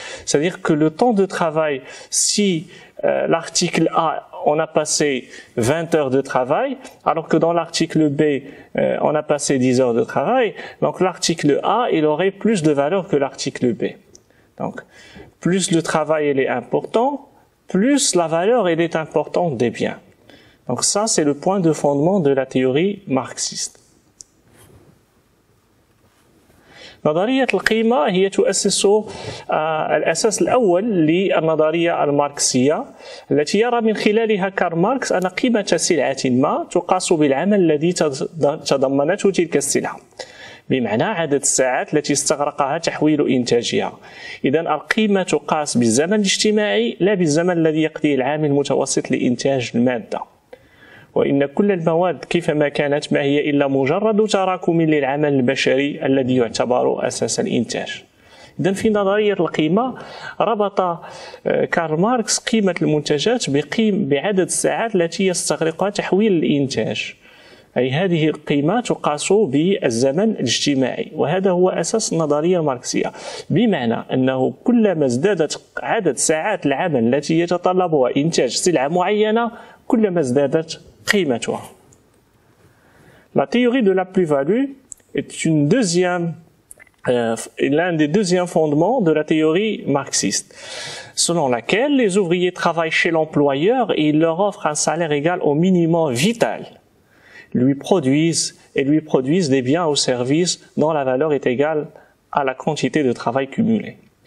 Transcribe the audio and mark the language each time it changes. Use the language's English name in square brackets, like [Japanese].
[French] C'est-à-dire que le temps de travail, si l'article A, on a passé 20 heures de travail, alors que dans l'article B, on a passé 10 heures de travail, donc l'article A, il aurait plus de valeur que l'article B. Donc, plus le travail il est important, plus la valeur elle est importante des biens. Donc ça, c'est le point de fondement de la théorie marxiste. [Arabic] نظرية القيمة هي تؤسس الأساس الأول للنظرية الماركسية التي يرى من خلالها كارل ماركس أن قيمة سلعة ما تقاس بالعمل الذي تضمنته تلك السلعة، بمعنى عدد الساعات التي استغرقها تحويل إنتاجها. إذن القيمة تقاس بالزمن الاجتماعي لا بالزمن الذي يقضيه العامل المتوسط لإنتاج المادة. وإن كل المواد كيفما كانت ما هي إلا مجرد تراكم للعمل البشري الذي يعتبر أساس الإنتاج. إذن في نظرية القيمة ربط كارل ماركس قيمة المنتجات بعدد الساعات التي يستغرقها تحويل الإنتاج، أي هذه القيمة تقاس بالزمن الاجتماعي، وهذا هو أساس النظرية الماركسية، بمعنى أنه كلما ازدادت عدد ساعات العمل التي يتطلبها إنتاج سلعة معينة كلما ازدادت قيمتها. [French] La théorie de la plus-value est une deuxième, l'un des deuxièmes fondements de la théorie marxiste, selon laquelle les ouvriers travaillent chez l'employeur et il leur offre un salaire égal au minimum vital, lui produisent des biens ou services dont la valeur est égale à la quantité de travail cumulé.